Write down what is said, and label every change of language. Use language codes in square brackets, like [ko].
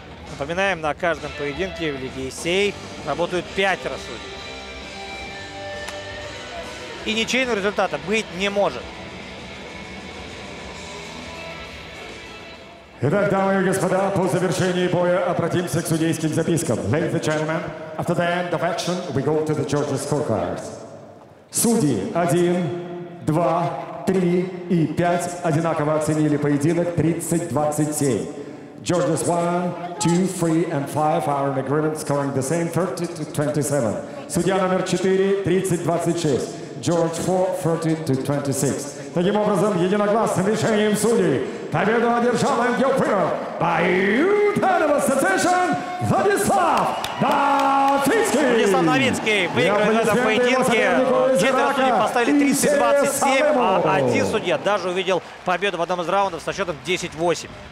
[ru] Напоминаем, на каждом поединке в Лиге ИСЕЙ работают пятеро судей. И ничейного результата быть не может. Итак, дамы и господа, по завершении боя обратимся к судейским запискам. [en] Ladies and gentlemen, after the end of action, we go to the judges' scorecards. [ru] Судьи 1, 2, 3 и 5 одинаково оценили поединок 30-27. [en] Judges 1, 2, 3 and 5 are in agreement, scoring the same 30-27. [ru] Судья номер 4, 30-26. [en] Judge 4, 30-26. [ru] Таким образом, единогласным решением судей победу одержал MGO Pino by Unanimous Association Владислав Новицкий. Владислав Новицкий выигрывает этот поединке. Четверо судей поставили 30-27, а один судья даже увидел победу в одном из раундов со счетом 10-8.